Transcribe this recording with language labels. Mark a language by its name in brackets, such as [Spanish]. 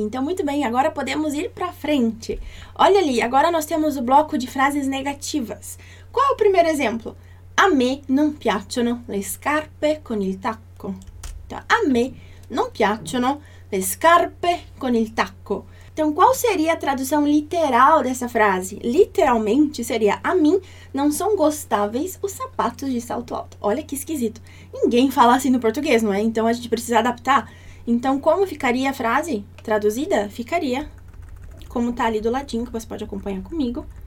[Portuguese] Então, muito bem, agora podemos ir pra frente. Olha ali, agora nós temos o bloco de frases negativas. Qual é o primeiro exemplo? [Italian] A me non piacciono le scarpe con il tacco. [Portuguese] Então, [Italian] a me non piacciono le scarpe con il tacco. [Portuguese] Então, qual seria a tradução literal dessa frase? Literalmente, seria: a mim não são gostáveis os sapatos de salto alto. Olha que esquisito. Ninguém fala assim no português, não é? Então, a gente precisa adaptar. Então, como ficaria a frase traduzida? Ficaria como tá ali do ladinho, que você pode acompanhar comigo.